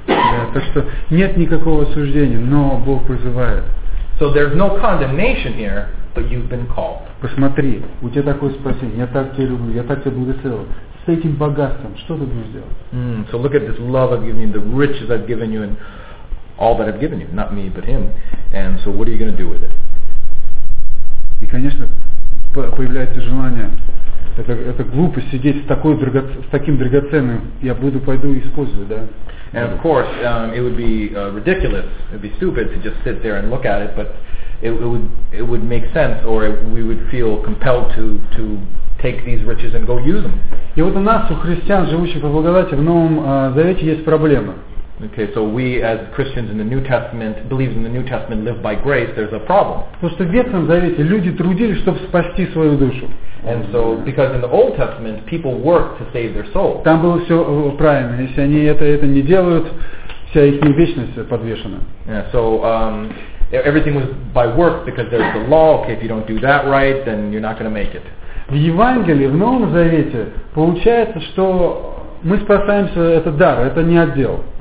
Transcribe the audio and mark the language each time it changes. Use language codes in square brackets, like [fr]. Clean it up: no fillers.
[ru] Да, так что нет никакого осуждения, но Бог призывает. [en] So there's no condemnation here, but you've been called. [ru] Посмотри, у тебя такое спасение, я так тебя люблю, я так тебя благословил. С этим богатством, что ты будешь делать? [en] So look at this love I've given you, the riches I've given you, and all that I've given you, not me, but him. And so what are you going to do with it? [ru] И, конечно, появляется желание, это глупость сидеть с таким драгоценным, я буду пойду использовать, да? [en] And of course, it would be ridiculous, it would be stupid to just sit there and look at it, but it would make sense, or we would feel compelled to take these riches and go use them. [ru] И вот у нас, у христиан, живущих по благодати, в Новом Завете есть проблема. [en] Okay, so we as Christians in the New Testament, believers in the New Testament, live by grace, there's a problem. [ru] Потому что в Ветхом Завете люди трудились, чтобы спасти свою душу. [en] And so, because in the Old Testament, people worked to save their soul. [ru] Там было все правильно. Если они это не делают, вся их вечность подвешена. [en] Yeah, so, everything was by work, because there's the law, okay, if you don't do that right, then you're not going to make it. [ru] В Евангелии, в Новом Завете, получается, что мы спасаемся, это дар, это не отдел.